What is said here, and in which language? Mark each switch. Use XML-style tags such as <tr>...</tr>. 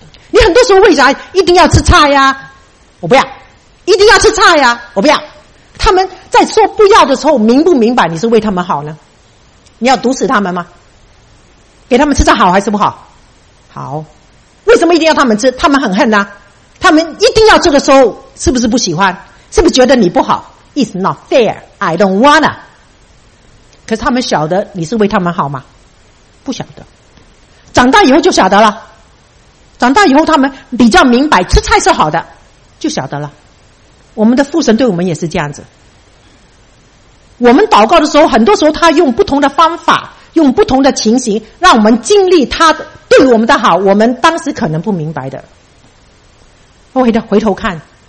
<zh>你很多时候为啥一定要吃菜呀，我不要，一定要吃菜呀，我不要，他们在说不要的时候明不明白你是为他们好呢？你要毒死他们吗？给他们吃菜好还是不好？好。为什么一定要他们吃？他们很恨啊，他们一定要吃的时候是不是不喜欢？是不是觉得你不好？</zh> <en>It's not fair, I don't wanna。</en> <zh>可是他们晓得你是为他们好吗？不晓得，长大以后就晓得了。长大以后他们比较明白吃菜是好的，就晓得了。我们的父神对我们也是这样子，我们祷告的时候很多时候他用不同的方法，用不同的情形让我们经历他对我们的好，我们当时可能不明白的，回头看。</zh>